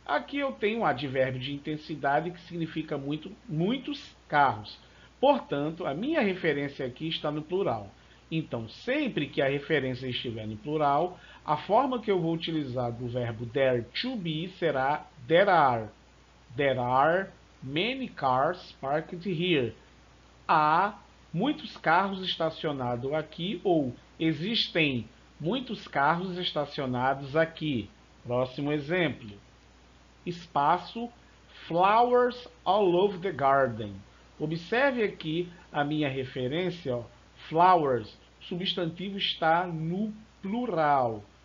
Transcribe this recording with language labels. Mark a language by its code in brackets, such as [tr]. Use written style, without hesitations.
[pt] Aqui eu tenho um advérbio de intensidade que significa muitos carros. Portanto, a minha referência aqui está no plural. Então, sempre que a referência estiver no plural, a forma que eu vou utilizar do verbo there to be será there are. [en] There are many cars parked here. [pt] Há muitos carros estacionados aqui ou existem muitos carros estacionados aqui. Próximo exemplo. Espaço: [en] flowers all over the garden. [pt] Observe aqui a minha referência, ó. Flowers, substantivo está no plural.